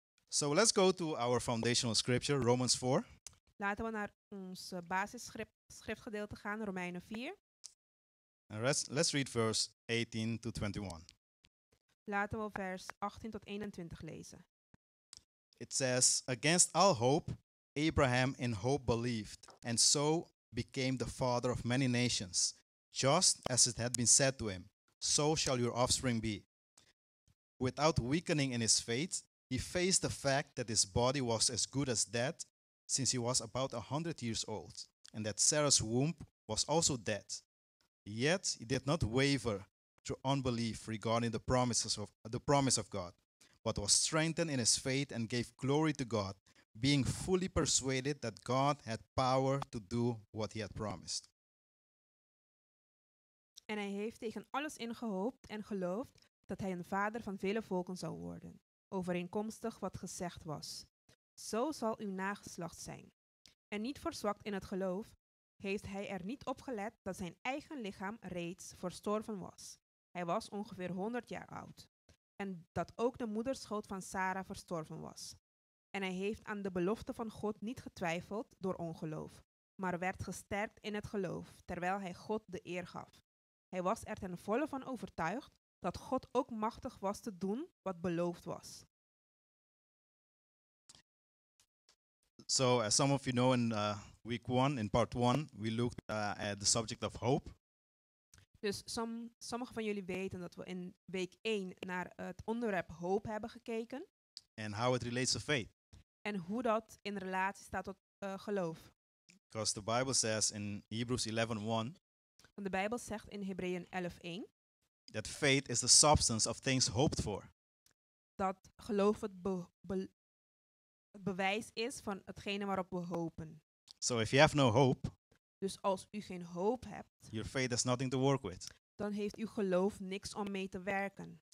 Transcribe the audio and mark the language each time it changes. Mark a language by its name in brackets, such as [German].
[English] So let's go to our foundational scripture, Romans 4. [Dutch] Laten we naar ons basisschriftgedeelte gaan, Romeinen 4. [English] And let's read verse 18 to 21. [Dutch] Laten we vers 18 tot 21 lezen. [English] It says, against all hope, Abraham in hope believed, and so became the father of many nations, just as it had been said to him, so shall your offspring be. Without weakening in his faith, he faced the fact that his body was as good as dead, since he was about 100 years old, and that Sarah's womb was also dead. Yet he did not waver through unbelief regarding the promise of God, but was strengthened in his faith and gave glory to God, being fully persuaded that God had power to do what he had promised. [Dutch] En hij heeft tegen alles ingehoopt en geloofd dat hij een vader van vele volken zou worden, overeenkomstig wat gezegd was. Zo zal uw nageslacht zijn. En niet verzwakt in het geloof, heeft hij er niet op gelet dat zijn eigen lichaam reeds verstorven was. Hij was ongeveer 100 jaar oud. En dat ook de moederschoot van Sarah verstorven was. En hij heeft aan de belofte van God niet getwijfeld door ongeloof, maar werd gesterkt in het geloof, terwijl hij God de eer gaf. Hij was er ten volle van overtuigd dat God ook machtig was te doen wat beloofd was. [English] So, as some of you know, in week 1, in part 1, we looked at the subject of hope. [Dutch] Dus sommige van jullie weten dat we in week 1 naar het onderwerp hoop hebben gekeken. [English] And how it relates to faith. [Dutch] En hoe dat in relatie staat tot geloof. [English] Because the Bible says in Hebrews 11:1. [Dutch] Want de Bijbel zegt in Hebreeën 11:1. [English] That faith is the substance of things hoped for. [Dutch] Dat geloof het bewijs is van hetgene waarop we hopen. [English] So if you have no hope. [Dutch] Dus als u geen hoop hebt. [English] Your faith has nothing to work with. [Dutch] Dan heeft uw geloof niks om mee te werken.